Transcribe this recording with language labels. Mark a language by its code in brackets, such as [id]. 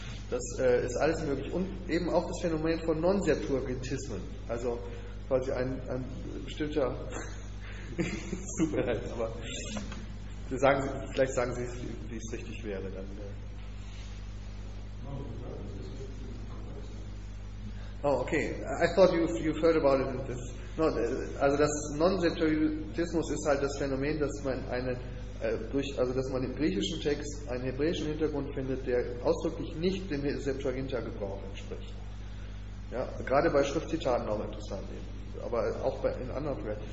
[de] Das ist alles möglich. Und eben auch das Phänomen von Non-Septuagintismen. Also quasi ein bestimmter... Es tut mir leid, aber vielleicht sagen Sie, wie es richtig wäre. Dann. [en] Oh, okay. I thought you've heard about it. [de] Also das Non-Septuagintismus ist halt das Phänomen, dass man dass man im griechischen Text einen hebräischen Hintergrund findet, der ausdrücklich nicht dem Septuaginta-Gebrauch entspricht. Ja, gerade bei Schriftzitaten auch interessant. Aber auch in anderen Quellen.